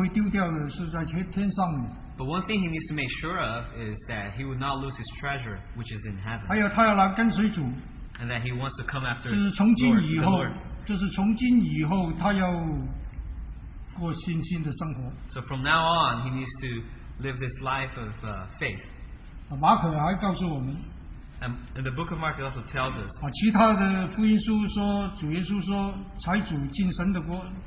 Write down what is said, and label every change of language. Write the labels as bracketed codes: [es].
[zh] 还有他还要相信就是他的财宝不会丢掉的是在天上的。 [en] But one thing he needs to make sure of is that he would not lose his treasure which is in heaven. [zh] 还有他要来跟随主。 [en] And that he wants to come after [zh] 就是从今以后, [en] Lord, the Lord. [zh] 就是从今以后他要过信心的生活。 [en] So from now on he needs to live this life of faith. [zh] 马可还告诉我们, [en] and the book of Mark also tells us, [zh] 其他的福音书说, 主耶稣说, 财主进神的国,